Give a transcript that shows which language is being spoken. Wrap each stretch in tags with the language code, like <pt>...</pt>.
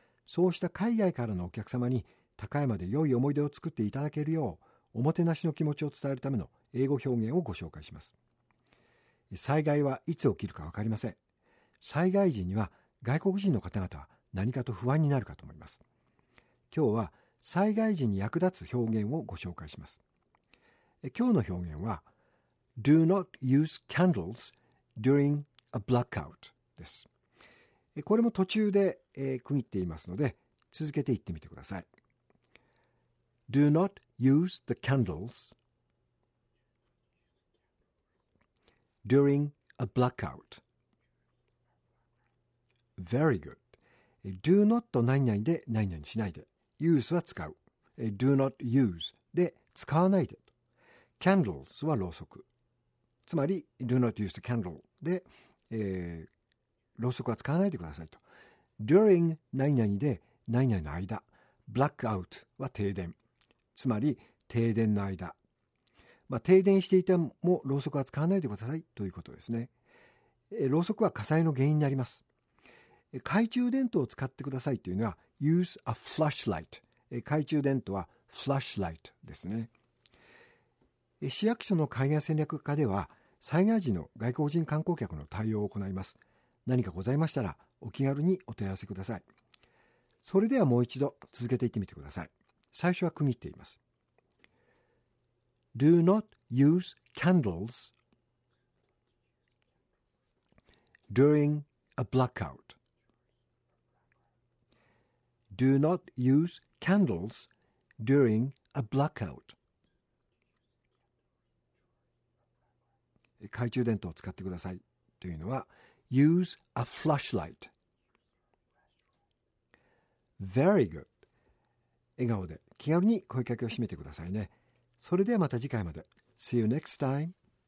<ja>そうした海外からのお客様に高山で良い思い出を作っていただけるよう、おもてなしの気持ちを伝えるための英語表現をご紹介します。災害はいつ起きるかわかりません。災害時には外国人の方々は何かと不安になるかと思います。今日は災害時に役立つ表現をご紹介します。今日の表現は、</ja> <en>Do not use candles during a blackout</en> <ja>です。これも途中で区切っていますので、続けて言ってみてください。</ja> <en>Do not use the candles during a blackout. Very good.</en> <ja>Do not 何々で何々しないで。Use は使う。</ja> <en>Do not use</en> <ja>で使わないで。Candles はろうそく。つまり、</ja> <en>Do not use the candle</en> <ja>で、ろうそくは使わないでくださいと。 During 何々で何々の間。Blackout は停電。つまり、停電の間。まあ、停電していてもろうそくは使わないでくださいということですね。ろうそくは火災の原因になります。懐中電灯を使ってくださいというのは、</ja> <en>Use a flashlight。</en> <ja>懐中電灯は flashlight ですね。市役所の海外戦略課では、災害時の外国人観光客の対応を行います。何かございましたら、お気軽にお問い合わせください。それではもう一度続けていってみてください。最初は区切っています。</ja> <en>Do not use candles during a blackout. Do not use candles during a blackout.</en> <ja>懐中電灯を使ってくださいというのは</ja> <en>Use a flashlight. Very good.</en> <ja>笑顔で気軽に声かけを締めてくださいね。それではまた次回まで。</ja> <en>See you next time.</en>